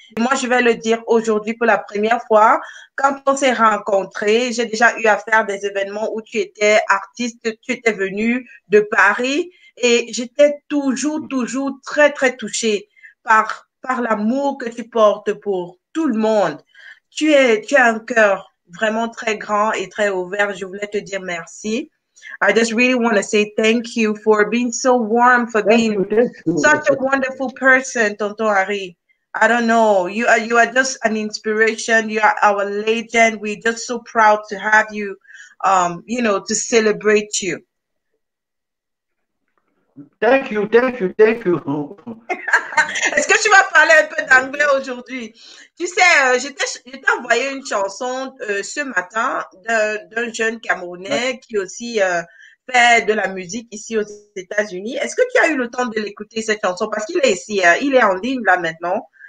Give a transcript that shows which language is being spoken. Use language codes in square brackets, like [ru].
[fr] Et moi, je vais le dire aujourd'hui pour la première fois. Quand on s'est rencontrés, j'ai déjà eu à faire des événements où tu étais artiste, tu étais venu de Paris et j'étais toujours, toujours très, très touchée par l'amour que tu portes pour tout le monde. Tu as un cœur vraiment très grand et très ouvert. Je voulais te dire merci. [en] I just really want to say thank you for being so warm, for being such a wonderful person, Tonton Harry. I don't know. You are just an inspiration. You are our legend. We're just so proud to have you, to celebrate you. Thank you, thank you, thank you. [fr] Est-ce que tu vas parler un peu d'anglais aujourd'hui? Tu sais, je t'ai envoyé une chanson ce matin d'un jeune Camerounais qui aussi fait de la musique ici aux États-Unis. Est-ce que tu as eu le temps de l'écouter, cette chanson? Parce qu'il est ici, il est en ligne là maintenant.